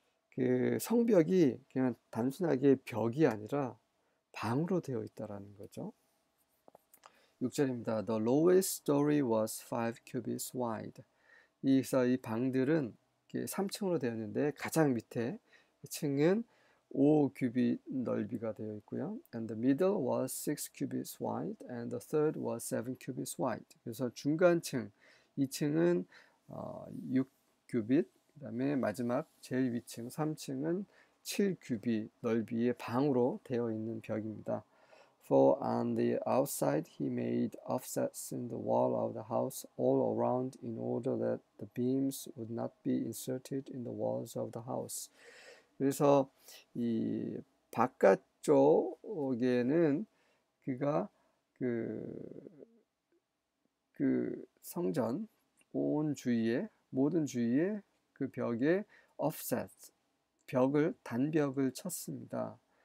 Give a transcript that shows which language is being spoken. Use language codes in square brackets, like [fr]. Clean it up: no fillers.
[ko] 그 성벽이 그냥 단순하게 벽이 아니라 방으로 되어 있다라는 거죠. 6절입니다. [en] The lowest story was 5 cubits wide. [ko] 이 방들은 3층으로 되었는데 가장 밑에 층은 5 규빗 넓이가 되어 있고요. [en] And the middle was 6 cubits wide and the third was 7 cubits wide. [ko] 그래서 중간층, 2층은 6 규빗, 그다음에 마지막 제일 위층, 3층은 7 규빗 넓이의 방으로 되어 있는 벽입니다. [en] For on the outside he made offsets in the wall of the house all around in order that the beams would not be inserted in the walls of the house. [ko] 그래서 이 바깥쪽에는 그가 그 성전 온 주위에 모든 주위에 그 벽에 offset 벽을 단벽을 쳤습니다.